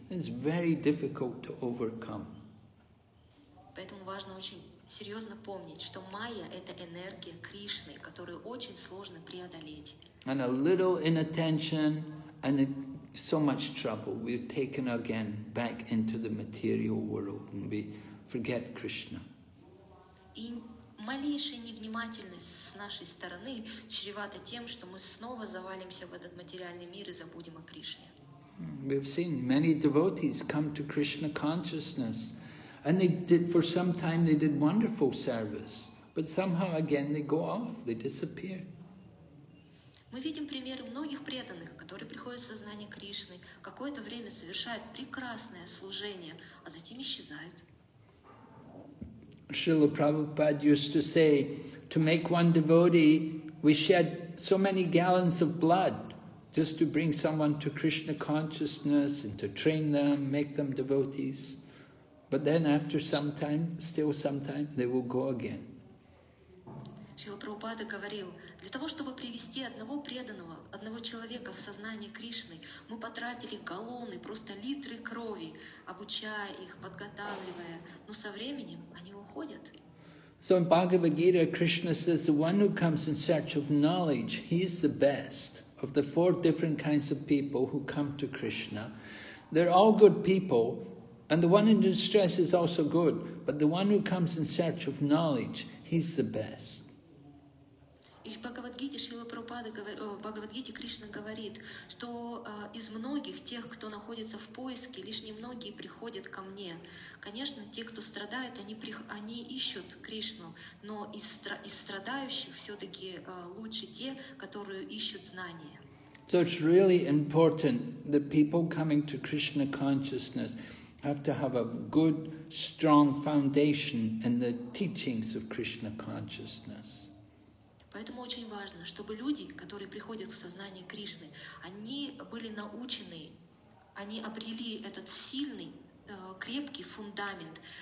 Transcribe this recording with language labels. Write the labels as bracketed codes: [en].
[en] It's very difficult to overcome. [ru] Поэтому важно очень серьезно помнить, что майя — это энергия Кришны, которую очень сложно преодолеть. [en] And a little inattention, and so much trouble. We're taken again back into the material world, and we forget Krishna. [ru] И малейшая невнимательность с нашей стороны чревата тем, что мы снова завалимся в этот материальный мир и забудем о Кришне. [en] We've seen many devotees come to Krishna consciousness, and they did for some time they did wonderful service, but somehow again they go off, they disappear. [ru] Мы видим примеры многих преданных, которые приходят в сознание Кришны, какое-то время совершают прекрасное служение, а затем исчезают. [en] Srila Prabhupada used to say, to make one devotee, we shed so many gallons of blood just to bring someone to Krishna consciousness and to train them, make them devotees. But then after some time, still some time, they will go again. [ru] Шрила Прабхупада говорил, для того, чтобы привести одного преданного, одного человека в сознание Кришны, мы потратили галлоны, просто литры крови, обучая их, подготавливая, но со временем они уходят. [en] So in Bhagavad Gita, Krishna says, the one who comes in search of knowledge, he is the best. Of the four different kinds of people who come to Krishna, they're all good people, and the one in distress is also good, but the one who comes in search of knowledge, he's the best. [ru] In Bhagavad-gita, Srila Prabhupada, Bhagavad-gita, Krishna говорит, что из многих тех, кто находится в поиске, лишь немногие приходят ко мне. Конечно, те, кто страдает, они ищут Кришну, но из страдающих все-таки лучше те, которые ищут знания. [en] So it's really important that people coming to Krishna consciousness have to have a good, strong foundation in the teachings of Krishna consciousness. [ru] Поэтому очень важно, чтобы люди, которые приходят в сознание Кришны, они были научены, они обрели этот сильный, крепкий фундамент